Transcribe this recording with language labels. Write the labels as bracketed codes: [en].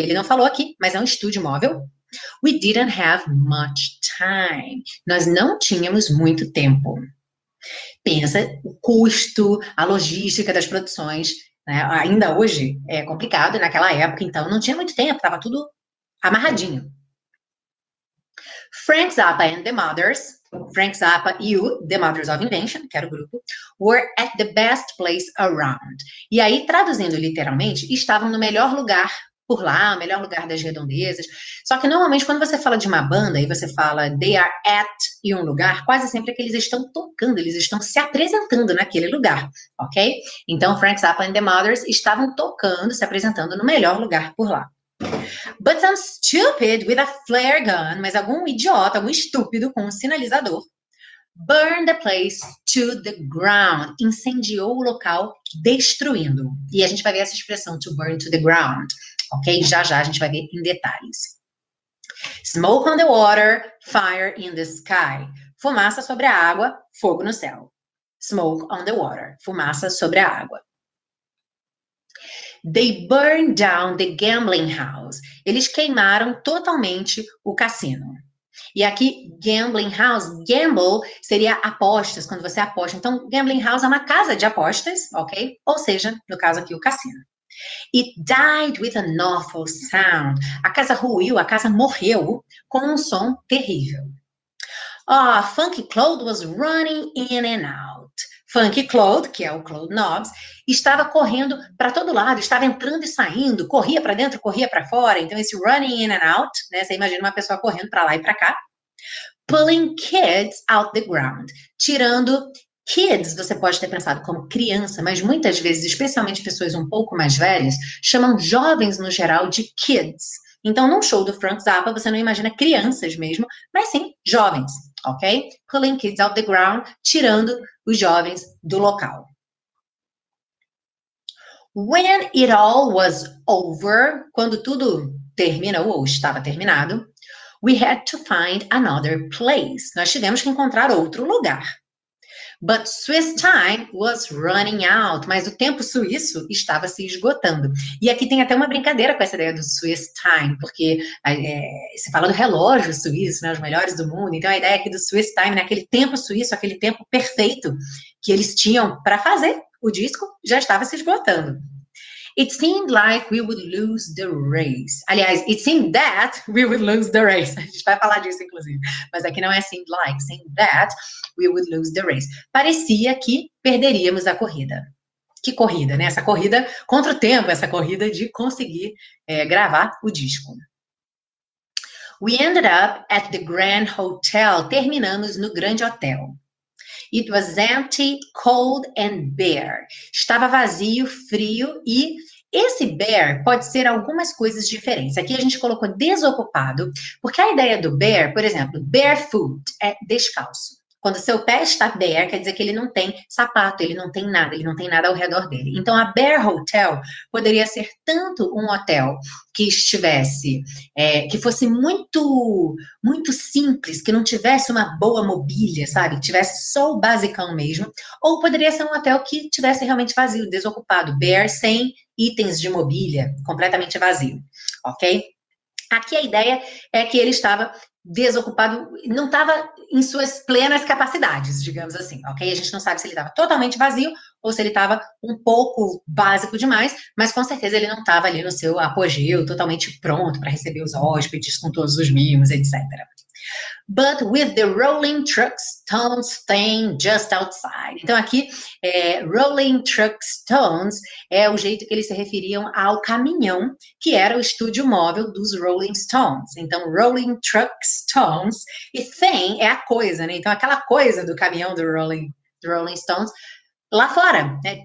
[pt] Ele não falou aqui, mas é um estúdio móvel. [en] We didn't have much time. [pt] Nós não tínhamos muito tempo. pensa o custo, a logística das produções, né? Ainda hoje é complicado, naquela época, então, não tinha muito tempo, estava tudo amarradinho. [en] Frank Zappa and the Mothers, Frank Zappa e o The Mothers of Invention, [pt] que era o grupo, [en] were at the best place around. [pt] E aí, traduzindo literalmente, estavam no melhor lugar por lá, o melhor lugar das redondezas. Só que normalmente, quando você fala de uma banda e você fala [en] they are at [pt] e um lugar, quase sempre é que eles estão tocando, eles estão se apresentando naquele lugar, ok? Então, Frank Zappa and the Mothers estavam tocando, se apresentando no melhor lugar por lá. [en] But some stupid with a flare gun, [pt] mas algum idiota, algum estúpido com um sinalizador, [en] burned the place to the ground, [pt] incendiou o local, destruindo. E a gente vai ver essa expressão [en] to burn to the ground, [pt] ok? Já já a gente vai ver em detalhes. [en] Smoke on the water, fire in the sky. [pt] Fumaça sobre a água, fogo no céu. [en] Smoke on the water, [pt] fumaça sobre a água. [en] They burned down the gambling house. [pt] Eles queimaram totalmente o cassino. E aqui, gambling house, gamble seria apostas, quando você aposta. Então, gambling house é uma casa de apostas, ok? Ou seja, no caso aqui, o cassino. [en] It died with an awful sound. [pt] A casa ruiu, a casa morreu com um som terrível. [en] Ah, Funky Claude was running in and out. [pt] Funky Claude, que é o Claude Nobbs, estava correndo para todo lado, estava entrando e saindo, corria para dentro, corria para fora. Então, esse [en] running in and out, [pt] né? Você imagina uma pessoa correndo para lá e para cá. [en] Pulling kids out the ground. [pt] Tirando kids, você pode ter pensado como criança, mas muitas vezes, especialmente pessoas um pouco mais velhas, chamam jovens no geral de kids. Então, num show do Frank Zappa, você não imagina crianças mesmo, mas sim jovens. Ok? [en] Pulling kids out the ground, [pt] tirando os jovens do local. [en] When it all was over, [pt] quando tudo terminou ou estava terminado, [en] we had to find another place. [pt] Nós tivemos que encontrar outro lugar. [en] But Swiss time was running out. [pt] Mas o tempo suíço estava se esgotando. E aqui tem até uma brincadeira com essa ideia do Swiss time, porque se fala do relógio suíço, né, os melhores do mundo. Então a ideia aqui do Swiss time, naquele tempo suíço, aquele tempo perfeito que eles tinham para fazer o disco, já estava se esgotando. [en] It seemed like we would lose the race. Aliás, it seemed that we would lose the race. [pt] A gente vai falar disso, inclusive. Mas aqui não é [en] seemed like, seemed that we would lose the race. [pt] Parecia que perderíamos a corrida. Que corrida, né? Essa corrida contra o tempo, essa corrida de conseguir gravar o disco. [en] We ended up at the Grand Hotel. [pt] Terminamos no Grande Hotel. [en] It was empty, cold and bare. [pt] Estava vazio, frio e. Esse bear pode ser algumas coisas diferentes. Aqui a gente colocou desocupado, porque a ideia do bear, por exemplo, barefoot é descalço. Quando seu pé está bare, quer dizer que ele não tem sapato, ele não tem nada ao redor dele. Então, a bare hotel poderia ser tanto um hotel que estivesse, que fosse muito, muito simples, que não tivesse uma boa mobília, sabe? Tivesse só o basicão mesmo. Ou poderia ser um hotel que tivesse realmente vazio, desocupado, bare, sem itens de mobília, completamente vazio, ok? Aqui a ideia é que ele estava desocupado, não estava em suas plenas capacidades, digamos assim, ok? A gente não sabe se ele estava totalmente vazio ou se ele estava um pouco básico demais, mas com certeza ele não estava ali no seu apogeu, totalmente pronto para receber os hóspedes com todos os mimos, etc. [en] But with the rolling trucks, stones staying just outside. [pt] Então, aqui, rolling trucks, stones é o jeito que eles se referiam ao caminhão, que era o estúdio móvel dos Rolling Stones. Então, rolling trucks, stones, e thing é a coisa, né? Então, aquela coisa do caminhão do Rolling Stones, lá fora, né?